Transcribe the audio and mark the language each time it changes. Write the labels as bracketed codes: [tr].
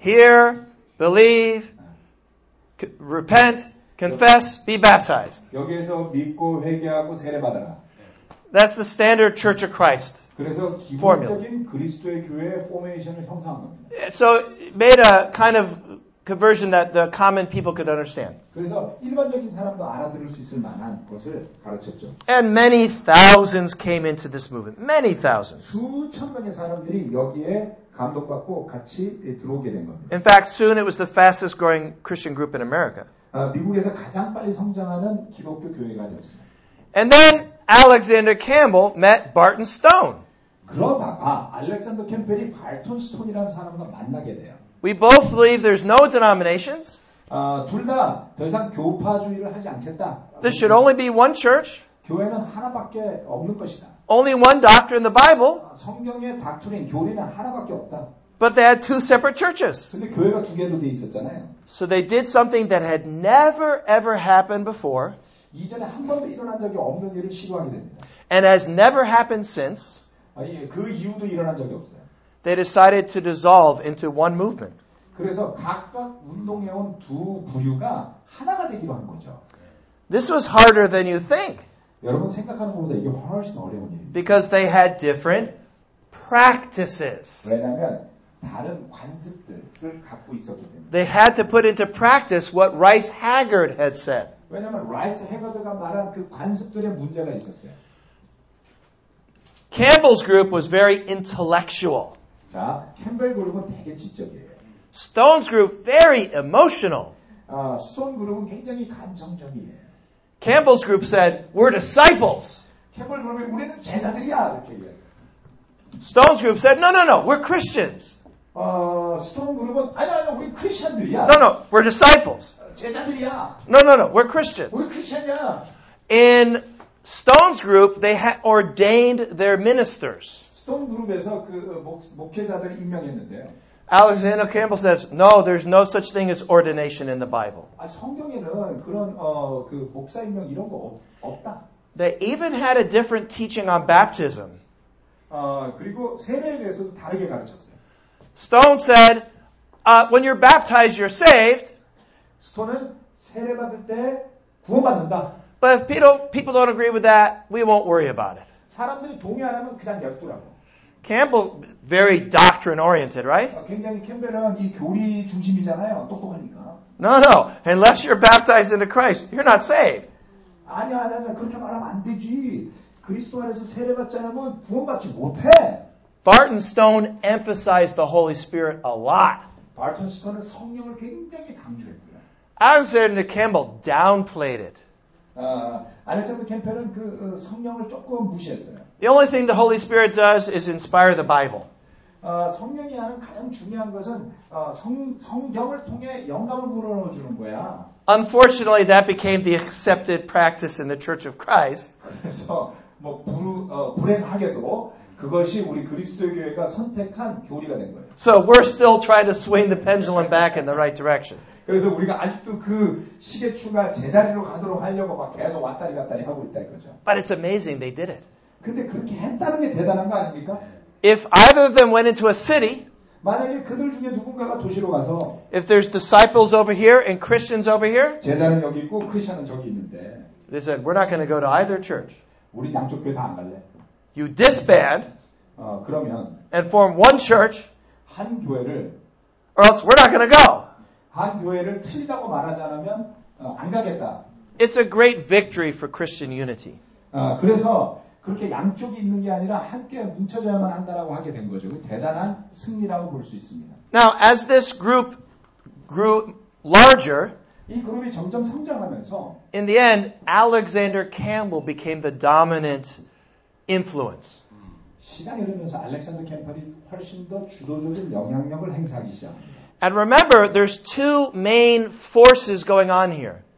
[en] Hear, believe, repent, confess, be baptized. [ko] 여기에서 믿고 회개하고 세례 받아라. [en] That's the standard Church of Christ formula. [ko] 그리스도의 교회의 포메이션을 형성한 겁니다. [en] So it made a kind of conversion that the common people could understand. [ko] 그래서 일반적인 사람도 알아들을 수 있을 만한 것을 가르쳤죠. [en] And many thousands came into this movement. Many thousands. [ko] 수천 명의 사람들이 여기에 감동받고 같이 들어오게 된 겁니다. [en] In fact, soon it was the fastest growing Christian group in America. [ko] 미국에서 가장 빨리 성장하는 기독교 교회가 됐어요. [en] And then Alexander Campbell met Barton Stone. [ko] 그러다가 알렉산더 캠벨이 발톤 스톤이라는 사람과 만나게 돼요. [en] We both believe there's no denominations. [ko] 둘 다 더 이상 교파주의를 하지 않겠다. [en] There should only be one church. [ko] 교회는 하나밖에 없는 것이다. [en] Only one doctor in the Bible. [ko] 성경의 닥터인 교리는 하나밖에 없다. [en] But they had two separate churches. [ko] 근데 교회가 두 개로 돼 있었잖아요. [en] So they did something that had never ever happened before. [ko] 이전에 한 번도 일어난 적이 없는 일을 시도하게 됩니다. [en] And has never happened since. [ko] 아니, 그 이후도 일어난 적이 없어요. [en] They decided to dissolve into one movement. [ko] 그래서 각각 운동해 온 두 부류가 하나가 되기로 한 거죠. [en] This was harder than you think. [ko] 여러분 생각하는 것보다 이게 훨씬 어려운 일입니다. [en] Because they had different practices. [ko] 왜냐하면 다른 관습들을 갖고 있었기 때문에. [en] They had to put into practice what Rice Haggard had said. [ko] 왜냐하면 Rice Haggard가 말한 그 관습들의 문제가 있었어요. [en] Campbell's group was very intellectual. [ko] 자, 캠벨 그룹은 되게 지적이에요. [en] Stone's group very emotional. [ko] 스톤 그룹은 굉장히 감성적이에요. [en] Campbell's group said, "We're disciples." [ko] 캠벨 그룹이 우리는 제자들이야 이렇게 얘기해요. [en] Stone's group said, "No, no, no. We're Christians." [ko] 스톤 그룹은 아니야, 우리 크리스천들이야. [en] No, no. We're disciples. [ko] 제자들이야. [en] No, no, no. We're Christians. [ko] 우리 크리스천이야. [en] In Stone's group, they had ordained their ministers. [ko] Stone 그룹에서 그 목회자들을 임명했는데요. [en] Alexander Campbell says, "No, there's no such thing as ordination in the Bible." [ko] 아, 성경에는 그런 그 목사 임명 이런 거 없다. [en] They even had a different teaching on baptism. [ko] 그리고 세례에 대해서도 다르게 가르쳤어요. [en] Stone said, "When you're baptized, you're saved." [ko] 스톤은 세례 받을 때 구원받는다. [en] But if people don't agree with that, we won't worry about it. [ko] 사람들이 동의 안 하면 그냥 냅두라고. [en] Campbell, very doctrine-oriented, right? [ko] 굉장히 캠벨은 이 교리 중심이잖아요. 똑똑하니까. [en] No, no. Unless you're baptized into Christ, you're not saved. [ko] 아니야, 아니야. 그렇게 말하면 안 되지. 그리스도 안에서 세례받지 않으면 구원받지 못해. [en] Barton Stone emphasized the Holy Spirit a lot. [ko] Barton Stone은 성령을 굉장히 강조했고요. [en] Alexander Campbell downplayed it. [ko] 알렉산더 캠벨은 그 성령을 조금 무시했어요. [en] The only thing the Holy Spirit does is inspire the Bible. [ko] 성령이 하는 가장 중요한 것은 성경을 통해 영감을 불어넣어 주는 거야. [en] Unfortunately, that became the accepted practice in the Church of Christ. [ko] 그래서 뭐 불행하게도 그것이 우리 그리스도 교회가 선택한 교리가 된 거예요. [en] So we're still trying to swing the pendulum back in the right direction. [ko] 그래서 우리가 아직도 그 시계추가 제자리로 가도록 하려고 막 계속 왔다리 갔다리 하고 있다 이거죠. [en] But it's amazing they did it. [ko] 근데 그렇게 했다는 게 대단한 거 아닙니까? [en] If either of them went into a city, [ko] 만약에 그들 중에 누군가가 도시로 가서, [en] if there's disciples over here and Christians over here, [ko] 제자는 여기 있고 크리스천은 저기 있는데, [en] they said, "We're not going to go to either church." [ko] 우리 양쪽 교회 다 안 갈래? [en] You disband, [ko] 그러면, [en] and form one church, [ko] 한 교회를, [en] or else we're not going to go. [ko] 한 교회를 틀리다고 말하지 않으면 안 가겠다. [en] It's a great victory for Christian unity. [ko] 그래서 그렇게 양쪽이 있는 게 아니라 함께 뭉쳐져야만 한다라고 하게 된 거죠. 대단한 승리라고 볼 수 있습니다. [en] Now, as this group grew larger, [ko] 이 그룹이 점점 성장하면서, [en] in the end, Alexander Campbell became the dominant influence. [ko] 시간이 흐르면서 알렉산더 캠벨이 훨씬 더 주도적인 영향력을 행사하기 시작합니다. [en] And remember, there's two main forces going on here.